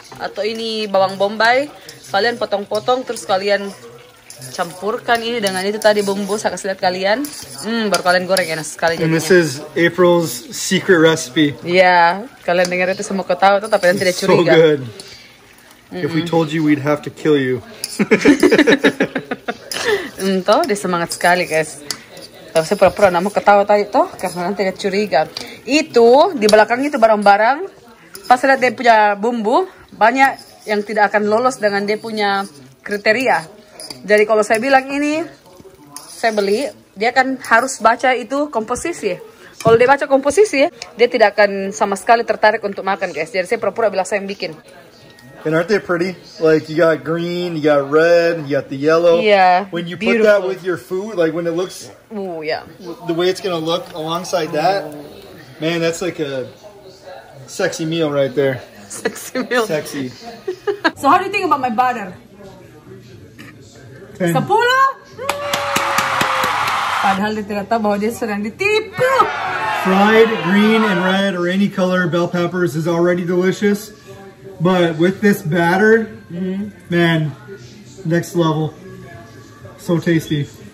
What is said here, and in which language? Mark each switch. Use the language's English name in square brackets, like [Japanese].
[Indonesian] Atau ini bawang bombay. Kalian potong-potong, terus kalian campurkan ini dengan itu tadi bumbu. Saya kasih lihat kalian. Baru kalian goreng enak sekali jadinya. [English] And this is April's secret recipe. [Indonesian] Yeah, kalian dengar itu semua kau tahu, tapi kalian tidak curiga. [English] So good. If we told you, we'd have to kill you. [Indonesian] Toh, dia semangat sekali, guys. Tapi saya pura-pura namu ketawa tadi, toh, karena nanti dia curiga. Itu, di belakang itu barang-barang, pas lihat dia punya bumbu, banyak yang tidak akan lolos dengan dia punya kriteria. Jadi kalau saya bilang ini, saya beli, dia kan harus baca itu komposisi. Kalau dia baca komposisi, dia tidak akan sama sekali tertarik untuk makan, guys. Jadi saya pura-pura bilang saya yang bikin. [English] And aren't they pretty? Like you got green, you got red, you got the yellow. Yeah. When you beautiful. Put that with your food, like when it looks, ooh, yeah. The way it's gonna look alongside that, man, that's like a sexy meal right there. Sexy meal. Sexy. So how do you think about my butter? [Indonesian] 10. Sepuluh. Padahal dia tidak tahu bahwa dia sedang ditipu. [English] Fried green and red or any color bell peppers is already delicious. But with this batter, man, next level. So tasty.